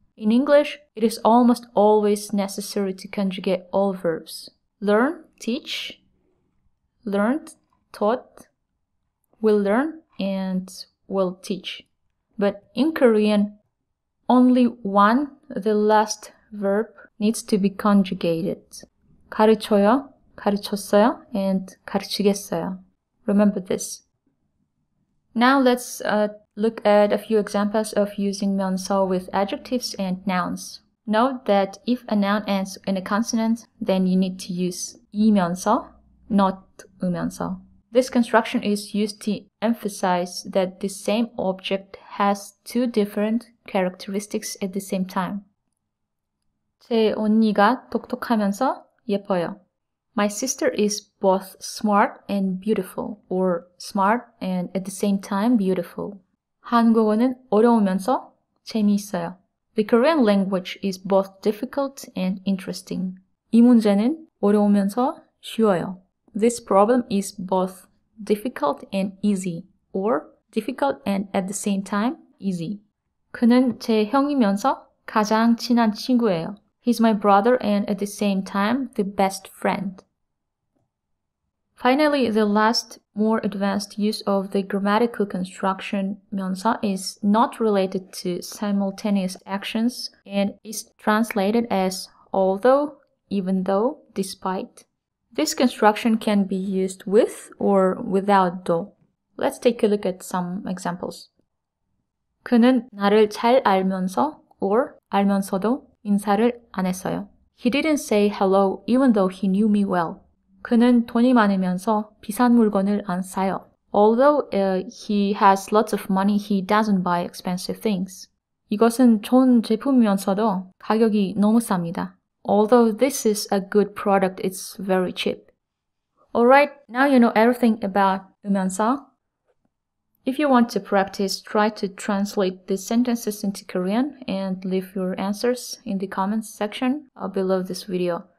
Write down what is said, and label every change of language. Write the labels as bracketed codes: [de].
[en] In English, it is almost always necessary to conjugate all verbs. Learn, teach, learned, taught, will learn, and will teach. But in Korean, only one, the last verb, needs to be conjugated. [ko] 가르쳐요, 가르쳤어요, [en] and [ko] 가르치겠어요. [en] Remember this. Now let's look at a few examples of using 면서 with adjectives and nouns. Note that if a noun ends in a consonant, then you need to use 이면서, not 으면서. This construction is used to emphasize that the same object has two different characteristics at the same time. [ko] 제 언니가 똑똑하면서 예뻐요. [en] My sister is both smart and beautiful, or smart and at the same time beautiful. [ko] 한국어는 어려우면서 재미있어요. [en] The Korean language is both difficult and interesting. [ko] 이 문제는 어려우면서 쉬워요. [en] This problem is both difficult and easy, or difficult and at the same time easy. [ko] 그는 제 형이면서 가장 친한 친구예요. [en] He's my brother and at the same time the best friend. Finally, the last more advanced use of the grammatical construction 면서 is not related to simultaneous actions and is translated as although, even though, despite. This construction can be used with or without 도. Let's take a look at some examples. [ko] 그는 나를 잘 알면서 [en] or [ko] 알면서도 인사를 안 했어요. [en] He didn't say hello even though he knew me well. [ko] 그는 돈이 많으면서 비싼 물건을 안 사요. [en] Although he has lots of money, he doesn't buy expensive things. [ko] 이것은 좋은 제품이면서도 가격이 너무 쌉니다. [en] Although this is a good product, it's very cheap. Alright, now you know everything about 으면서. If you want to practice, try to translate the sentences into Korean and leave your answers in the comments section below this video.